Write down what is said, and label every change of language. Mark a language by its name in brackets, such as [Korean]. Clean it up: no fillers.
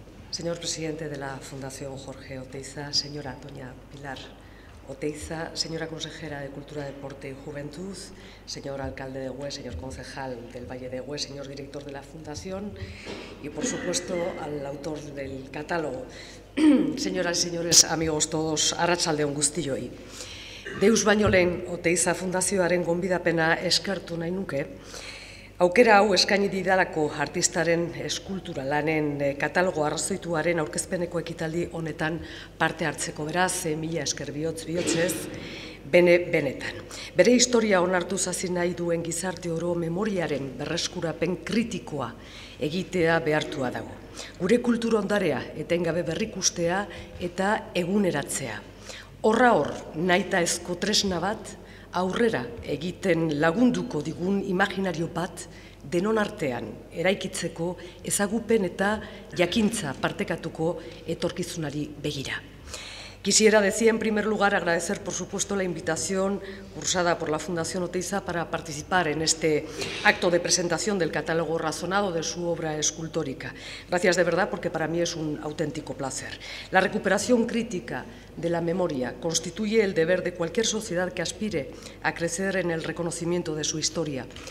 [Spanish] Señor presidente de la Fundación Jorge Oteiza, señora doña Pilar Oteiza, señora consejera de Cultura, Deporte y Juventud, señor alcalde de Hue, señor concejal del Valle de Hue, señor director de la Fundación y, por supuesto, al autor del catálogo. Señoras y señores, amigos todos, [Basque] arratsaldeon guztioi. Deus baino lehen Oteiza Fundazioaren gonbidapena eskertu nahi nuke. Aukera hau eskaini didalako artistaren eskultura lanen katalogo arrazoituaren aurkezpeneko ekitaldi honetan parte hartzeko, beraz, mila esker bihotzez, benetan. Bere historia onartu zazi nahi duen gizarte oro memoriaren berreskurapen kritikoa egitea behartua dago. Gure kultura ondarea etengabe berrikustea eta eguneratzea. Horra hor, nahita ezko tresna bat, aurrera egiten lagunduko digun imaginario bat denon artean eraikitzeko ezagupen eta jakintza partekatuko etorkizunari begira. [Spanish] Quisiera decir en primer lugar agradecer por supuesto la invitación cursada por la Fundación Oteiza para participar en este acto de presentación del catálogo razonado de su obra escultórica. Gracias de verdad porque para mí es un auténtico placer. La recuperación crítica de la memoria constituye el deber de cualquier sociedad que aspire a crecer en el reconocimiento de su historia.